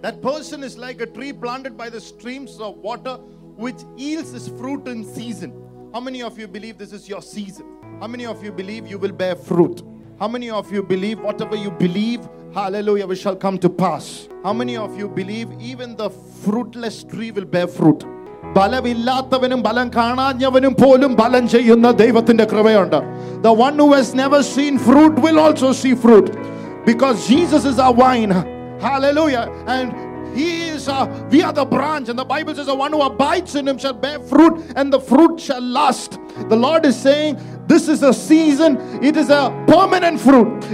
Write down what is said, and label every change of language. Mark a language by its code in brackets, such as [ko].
[en] That person is like a tree planted by the streams of water which yields its fruit in season. How many of you believe this is your season? How many of you believe you will bear fruit? How many of you believe whatever you believe, hallelujah, we shall come to pass? How many of you believe even the fruitless tree will bear fruit? [ml] ബലമില്ലാത്തവനും ബലം കാണാഞ്ഞവനും പോലും ബലം ചെയ്യുന്ന ദൈവത്തിന്റെ കൃപയുണ്ട്. [en] The one who has never seen fruit will also see fruit, because Jesus is our vine. Hallelujah. And we are the branch, and the Bible says the one who abides in him shall bear fruit, and the fruit shall last. The Lord is saying this is a season. It is a permanent fruit.